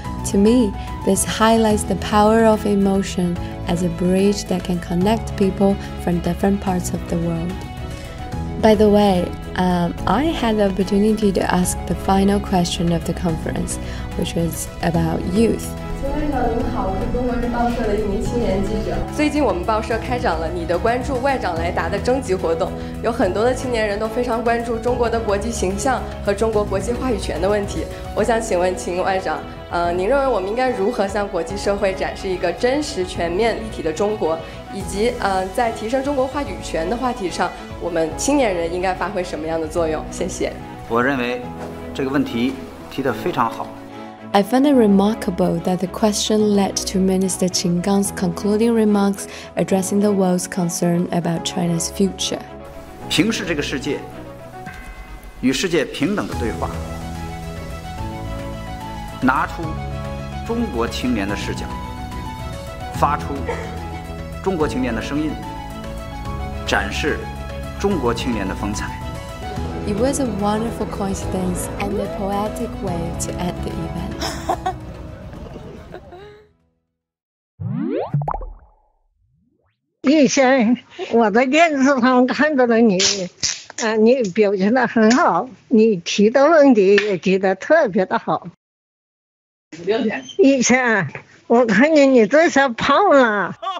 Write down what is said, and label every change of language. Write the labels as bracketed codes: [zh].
[en] To me, this highlights the power of emotion as a bridge that can connect people from different parts of the world. By the way, I had the opportunity to ask the final question of the conference, which was about youth. [zh] 请问您好，我是中国日报社的一名青年记者。最近我们报社开展了“你的关注，外长来答”的征集活动，有很多的青年人都非常关注中国的国际形象和中国国际话语权的问题。我想请问秦外长。您认为我们应该如何向国际社会展示一个真实、全面、立体的中国？以及，在提升中国话语权的话题上，我们青年人应该发挥什么样的作用？谢谢。我认为这个问题提得非常好。 [en] I find it remarkable that the question led to Minister Qin Gang's concluding remarks addressing the world's concern about China's future. [zh] 平视这个世界，与世界平等的对话。拿出中国青年的视角，发出中国青年的声音，展示中国青年的风采。 [en] It was a wonderful coincidence and a poetic way to end the event. [zh] 以前我在电视上看到了你，你表现得很好，你提的问题也提得特别的好。以前我看见你这下胖了，